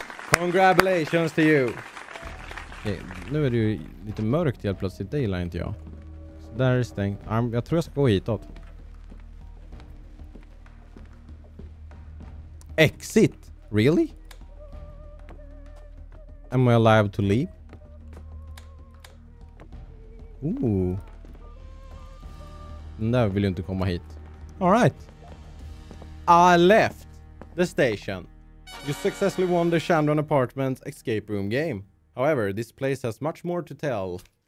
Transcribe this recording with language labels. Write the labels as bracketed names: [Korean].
[English] Congratulations to you. [Swedish] Okay, nu är det ju lite mörkt helt plötsligt. Det gillar inte jag. Så där är det stängt. Jag tror jag ska gå hitåt. [English] Exit? Really? Am I allowed to leave? Ooh. [Swedish] Den där vill ju inte komma hit. [English] All right. I left the station. You successfully won the Chandran apartment escape room game. However, this place has much more to tell.